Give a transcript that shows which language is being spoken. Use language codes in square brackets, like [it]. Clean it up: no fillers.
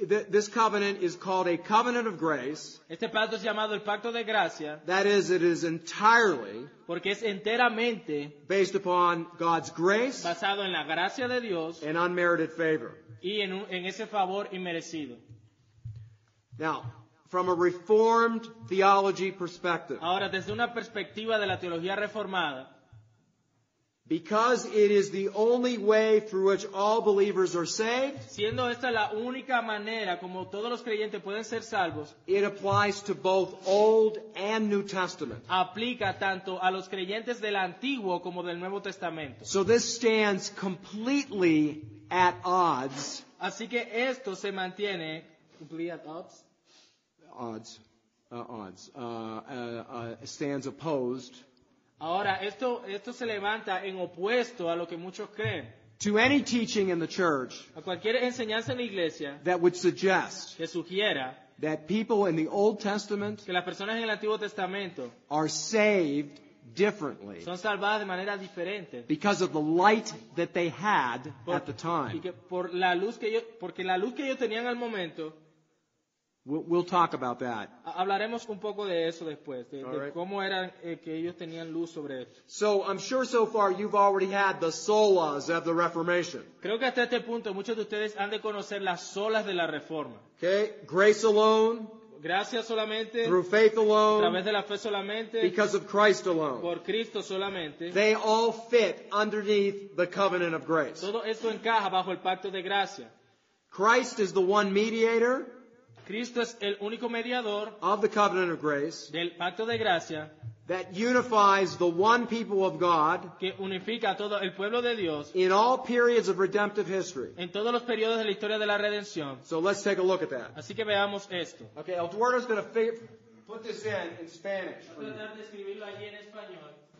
[en] This covenant is called a covenant of grace. [es] Este pacto es llamado el pacto de gracia. [en] That is, it is entirely, [es] porque es enteramente, [en] based upon God's grace, [es] basado en la gracia de Dios, [en] and unmerited favor, [es] y en ese favor inmerecido. [en] Now, from a Reformed theology perspective, [es] ahora desde una perspectiva de la teología reformada, [en] because it is the only way through which all believers are saved, [es] siendo esta la única manera como todos los creyentes pueden ser salvos, [en] it applies to both Old and New Testament. [es] Aplica tanto a los creyentes del Antiguo como del Nuevo Testamento. [en] So this stands completely at odds. [es] Así que esto se mantiene [en] completely at odds. Odds. Odds. Stands opposed. [es] Ahora, esto se levanta en opuesto a lo que muchos creen. [en] To any teaching in the church, [es] a cualquier enseñanza en la iglesia, [en] that would suggest, [es] que sugiera, [en] that people in the Old Testament, [es] que las personas en el Antiguo Testamento, [en] are saved differently, [es] son salvadas de manera diferente, [en] because of the light that they had por, at the time. [es] Y que por la luz que ellos, porque la luz que ellos tenían al momento, [en] We'll talk about that. [es] Hablaremos un poco de eso después, de cómo era que ellos tenían luz sobre esto. [en] So I'm sure so far you've already had the solas of the Reformation. [es] Creo que hasta este punto muchos de ustedes han de conocer las solas de la Reforma. [en] Okay, grace alone. [es] Gracia solamente. [en] Through faith alone. [es] A través de la fe solamente. [en] Because of Christ alone. [es] Por Cristo solamente. [en] They all fit underneath the covenant of grace. [es] Todo esto encaja bajo el pacto de gracia. [en] Christ is the one mediator. [es] Cristo es el único mediador [en] of the covenant of grace, [es] del pacto de gracia, [en] that unifies the one people of God, [es] que unifica a todo el pueblo de Dios, [en] in all periods of redemptive history. [es] En todos los periodos de la historia de la redención. [en] So let's take a look at that. [es] Así que veamos esto. [en] Okay, Eduardo's going to put this in Spanish. [es] Voy a tratar de escribirlo allí en español.